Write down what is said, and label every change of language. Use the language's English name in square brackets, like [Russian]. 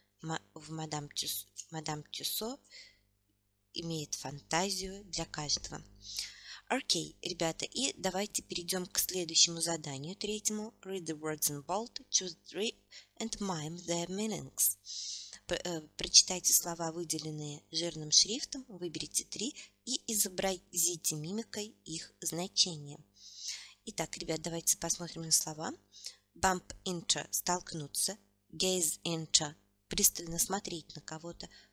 [Russian] Мадам Тюссо имеет фантазию для каждого. Окей, ребята, и давайте перейдем к следующему заданию, третьему. [English] Read the words in bold, choose three and mime their meanings. [Russian] Прочитайте слова, выделенные жирным шрифтом, выберите три и изобразите мимикой их значение. Итак, ребят, давайте посмотрим на слова. [English] Bump into [Russian] – столкнуться. [English] Gaze into [Russian] – пристально смотреть на кого-то.